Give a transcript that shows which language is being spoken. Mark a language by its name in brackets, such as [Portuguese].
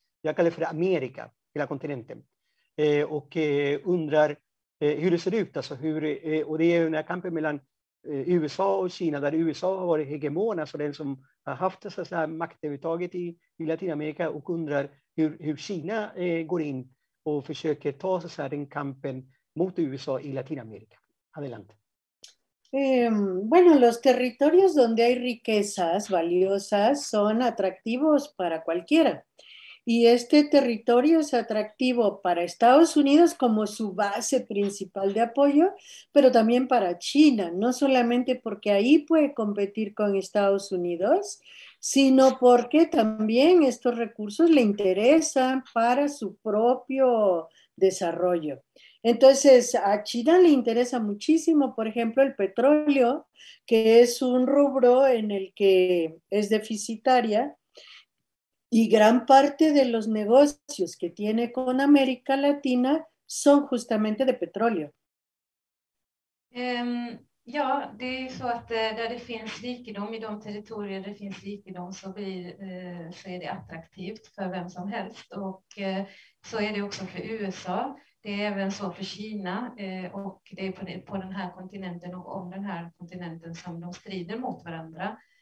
[Swedish] Jag kallar för Amerika, hela kontinenten. Och undrar hur det ser ut. Alltså och det är den här kampen mellan USA och Kina, där USA har varit hegemon, alltså den som har haft så här maktövertaget i Latinamerika, och undrar hur Kina går in och försöker ta så här den kampen mot USA i Latinamerika. [Spanish] Adelante. Bueno, los territorios donde hay riquezas valiosas son atractivos para cualquiera. Y este territorio es atractivo para Estados Unidos como su base principal de apoyo, pero también para China, no solamente porque ahí puede competir con Estados Unidos, sino porque también estos recursos le interesan para su propio desarrollo. Entonces, a China le interesa muchísimo, por ejemplo, el petróleo, que es un rubro en el que es deficitaria, y gran parte de los negocios que tiene con América Latina son justamente de petróleo. [Swedish] Ja, det är så att där det finns rikedom i de territorier där det finns rikedom, så är det attraktivt för vem som helst, och så är det också för USA. Det är även så för Kina, och det är på den här kontinenten och om den här kontinenten som de strider mot varandra.